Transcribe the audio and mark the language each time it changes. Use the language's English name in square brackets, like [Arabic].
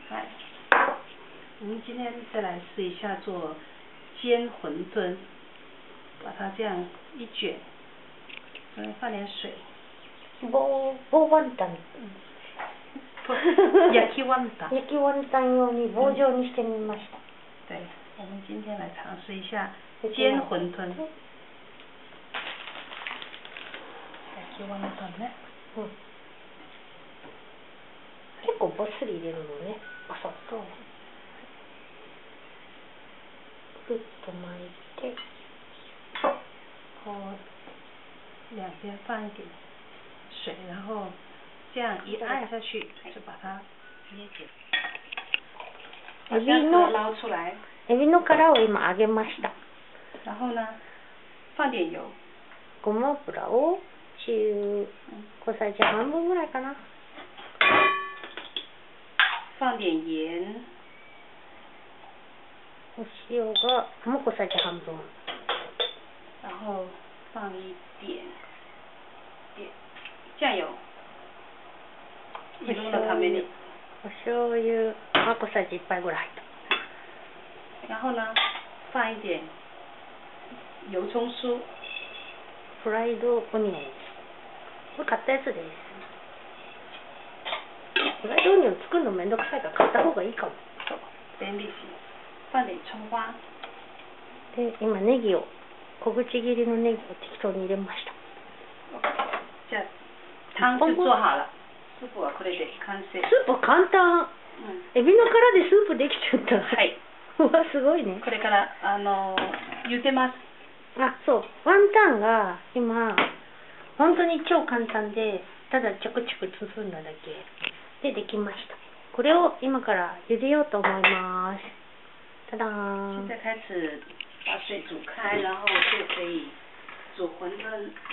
[Japanese] はい、 [Chinese] 我们今天再来试一下做煎馄饨，把它这样一卷，嗯，放点水。 [Japanese] 棒ワンタン。焼きワンタン。焼きワンタン用に棒状にしてみました。 [Chinese] 对，我们今天来尝试一下煎馄饨。 [Japanese] 焼きワンタンね。嗯。結構ボスリ入れるのね。あ、そう。ぐっと巻いて。 [Chinese] こう两边放一点水，然后这样一按下去就把它捏紧。 [Japanese] エビの [Chinese] 捞出来。 [Japanese] エビの殻を今揚げました。 [Chinese] 然后呢，放点油。 [Japanese] ごま油を小さじ半分ぐらいかな。 [Chinese] 放点盐。 [Japanese] お塩がもう小さじ半分。 [Chinese] 然后放一点酱油，用了ために。 [Japanese] お醤油、あ、小さじ一杯ぐらい。 [Chinese] 然后呢，放一点油葱酥。 [Japanese] フライドオニオン。これ買ったやつです。フライドオニオン作るのめんどくさいから買った方がいいかも。そう、便利し。 [Chinese] 放点葱花。 [Japanese] で、今ネギを。小口切りのネギを適当に入れました。じゃあ [Chinese] 汤就做好了。 [Japanese] スープはこれで完成。スープ簡単、うん、エビの殻でスープできちゃった。はい。うわすごいね。これから茹でます。あ、そう、ワンタンが今本当に超簡単で、ただちょくちょく包んだだけでできました。これを今から茹でようと思います。ただーん。 [Chinese] 現在開始把水煮开，然后就可以煮馄饨。